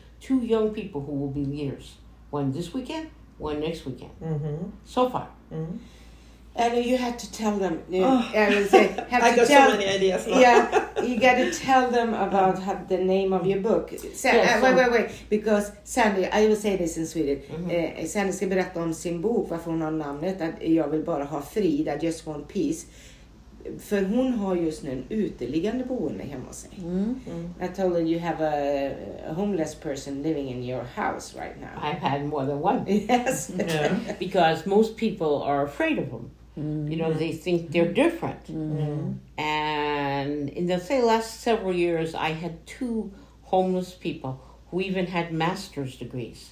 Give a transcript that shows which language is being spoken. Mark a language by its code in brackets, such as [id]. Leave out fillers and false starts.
[en] Two young people who will be leaders. One this weekend, one next weekend. Mm-hmm. So far. Mm-hmm. And you had to tell them. You got to tell them about the name of your book. Because Sandy, I will say this in Swedish. Mm-hmm. [sv] Sandy ska berätta om sin bok, varför hon har namnet, att jag vill bara ha frid, [en] I just want peace. [sv] För hon har just nu en uteliggande boende hemma hos sig. Mm-hmm. [en] I told her you have a homeless person living in your house right now. I've had more than one. Yes. Yeah. Because most people are afraid of them. Mm-hmm. You know, they think they're different. Mm-hmm. And in the last several years, I had two homeless people who even had master's degrees.